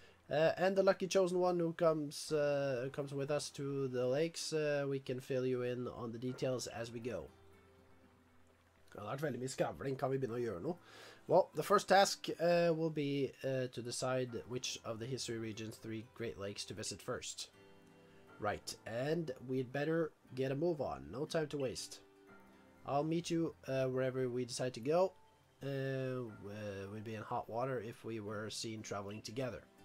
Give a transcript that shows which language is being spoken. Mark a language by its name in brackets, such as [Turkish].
[English] And the lucky chosen one who comes with us to the lakes, we can fill you in on the details as we go. [Norwegian] Det har vært veldig mye skravling. Kan vi begynne å gjøre noe? [English] Well, the first task will be to decide which of the history region's three great lakes to visit first. Right, and we'd better get a move on. No time to waste. I'll meet you wherever we decide to go. We'd be in hot water if we were seen traveling together.